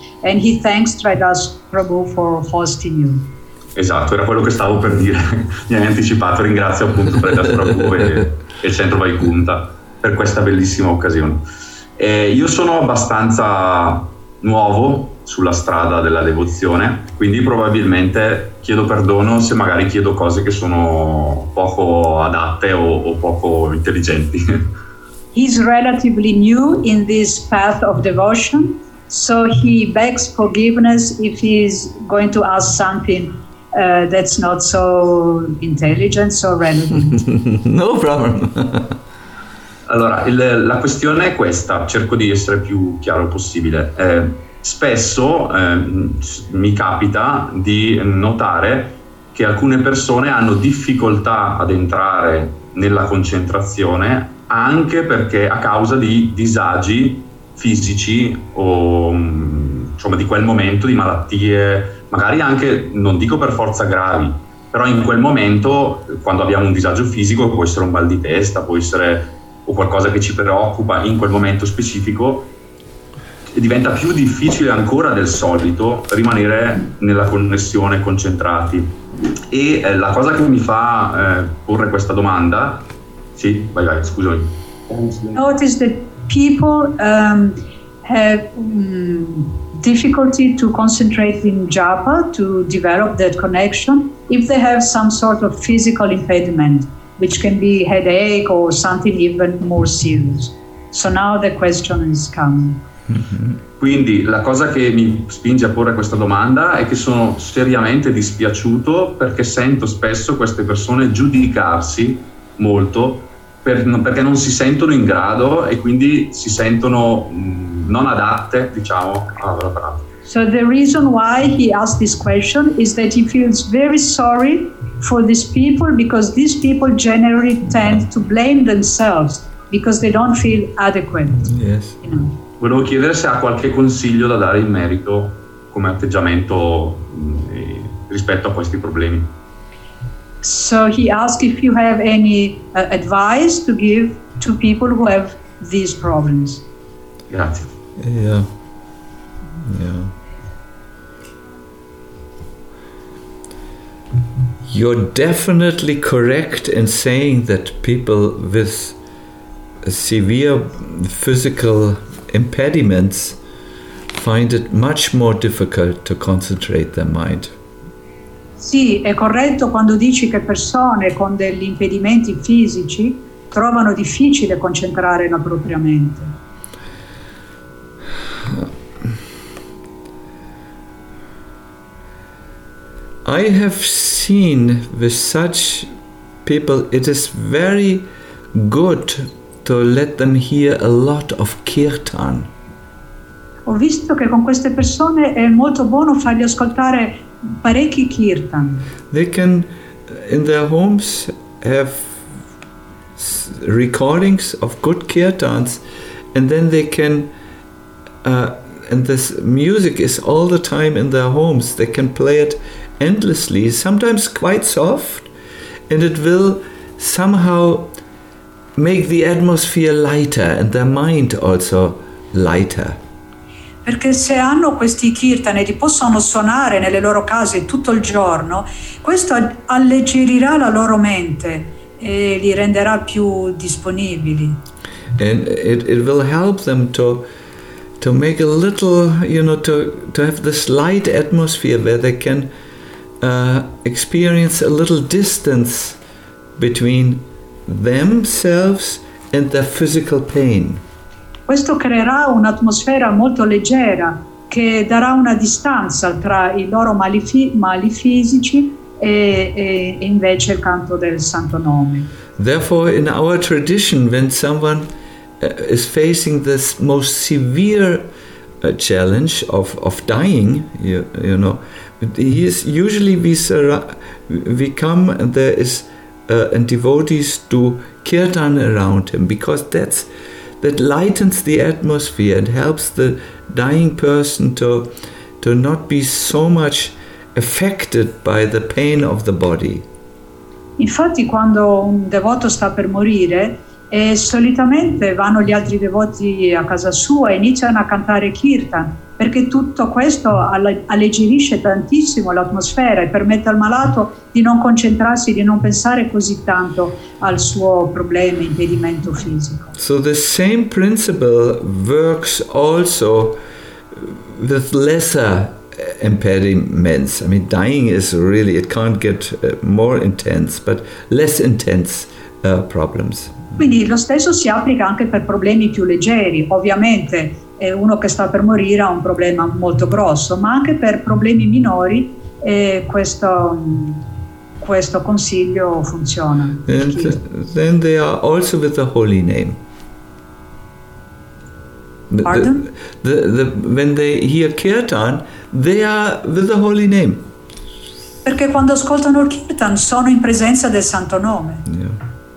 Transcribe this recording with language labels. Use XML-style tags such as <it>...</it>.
<en>And he thanks Tridas Prabhu for hosting you.</en> <it>Esatto, era quello che stavo per dire. Mi hai anticipato, ringrazio appunto Tridas Prabhu e il Centro Vaikunta per questa bellissima occasione. Io sono abbastanza nuovo sulla strada della devozione, quindi probabilmente chiedo perdono se magari chiedo cose che sono poco adatte o poco intelligenti.</it> <en>He's relatively new in this path of devotion, so he begs forgiveness if he's going to ask something that's not so intelligent, so relevant. No problem.</en> <it>Allora, la questione è questa, cerco di essere più chiaro possibile. Spesso mi capita di notare che alcune persone hanno difficoltà ad entrare nella concentrazione anche perché a causa di disagi fisici o insomma di quel momento, di malattie, magari anche, non dico per forza gravi, però in quel momento, quando abbiamo un disagio fisico, può essere un mal di testa, può essere o qualcosa che ci preoccupa in quel momento specifico, diventa più difficile ancora del solito rimanere nella connessione, concentrati. E la cosa che mi fa porre questa domanda, sì, vai, scusami.</it> <en>Notice that people have difficulty to concentrate in japa, to develop that connection, if they have some sort of physical impediment, which can be headache or something even more serious. So now the question is coming.</en> <it>Quindi la cosa che mi spinge a porre questa domanda è che sono seriamente dispiaciuto perché sento spesso queste persone giudicarsi molto perché non si sentono in grado e quindi si sentono non adatte, diciamo, alla pratica.</it> <en>So the reason why he asked this question is that he feels very sorry for these people, because these people generally tend to blame themselves because they don't feel adequate. Yes. You know?</en> <it>Volevo chiedere se ha qualche consiglio da dare in merito come atteggiamento rispetto a questi problemi.</it> <en>So he asked if you have any advice to give to people who have these problems.</en> <it>Grazie.</it> <en>You're definitely correct in saying that people with severe physical impediments find it much more difficult to concentrate their mind.</en> <it>Sì, è corretto quando dici che persone con degli impedimenti fisici trovano difficile concentrare la propria mente.</it> <en>I have seen with such people, it is very good to let them hear a lot of kirtan.</en> <it>Ho visto che con queste persone è molto buono fargli ascoltare parecchi kirtan.</it> <en>They can, in their homes, have recordings of good kirtans, and then they can, and this music is all the time in their homes, they can play it endlessly, sometimes quite soft, and it will somehow make the atmosphere lighter and their mind also lighter.</en> <it>Perché se hanno questi kirtan e li possono suonare nelle loro case tutto il giorno, questo alleggerirà la loro mente e li renderà più disponibili.</it> <en>And it will help them to make a little, you know, to have this light atmosphere where they can experience a little distance between themselves and their physical pain.</en> <it>Questo creerà un'atmosfera molto leggera che darà una distanza tra i loro mali fisici e invece il canto del santo nome.</it> <en>Therefore, in our tradition, when someone is facing this most severe challenge of dying, you know, he is usually we come and there is and devotees do kirtan around him, because that lightens the atmosphere and helps the dying person to not be so much affected by the pain of the body.</en> <it>Infatti, quando un devoto sta per morire, e solitamente vanno gli altri devoti a casa sua e iniziano a cantare kirtan, perché tutto questo alleggerisce tantissimo l'atmosfera e permette al malato di non concentrarsi, di non pensare così tanto al suo problema, impedimento fisico.</it> <en>So the same principle works also with lesser impediments. I mean, dying is really, it can't get more intense, but less intense problems.</en> <it>Quindi lo stesso si applica anche per problemi più leggeri, ovviamente uno che sta per morire ha un problema molto grosso, ma anche per problemi minori questo consiglio funziona.</it> <en>And then they are also with the holy name. Pardon? When they hear kirtan, they are with the holy name.</en> <it>Perché quando ascoltano il kirtan sono in presenza del santo nome.</it>